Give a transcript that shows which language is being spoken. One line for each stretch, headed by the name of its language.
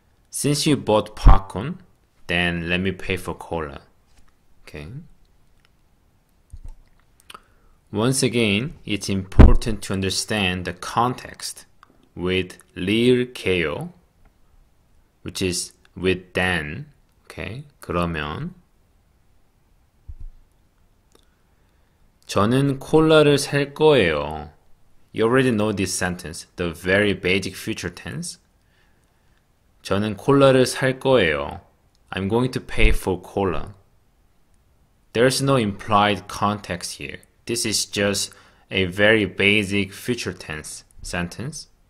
English: Since you bought popcorn, then let me pay for cola. Okay. Once again, it's important to understand the context with 리을게요, which is with then. Okay.
Korean: 그러면 저는 콜라를 살 거예요.
English: You already know this sentence, the very basic future tense.
Korean: 저는 콜라를 살 거예요.
English: I'm going to pay for cola. There's no implied context here. This is just a very basic future tense sentence.